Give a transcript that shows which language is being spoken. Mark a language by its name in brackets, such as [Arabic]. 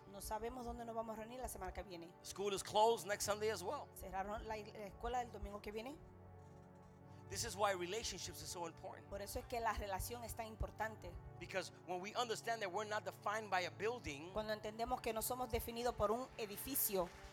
[Spanish] No sabemos dónde nos vamos a reunir la semana que viene. [English] School is closed next Sunday as well. [Spanish] Cerraron la escuela el domingo que viene. [English] This is why relationships are so important. [Spanish] Por eso es que la relación es tan importante. [English] Because when we understand that we're not defined by a building, [Spanish] cuando entendemos que no somos definidos por un edificio,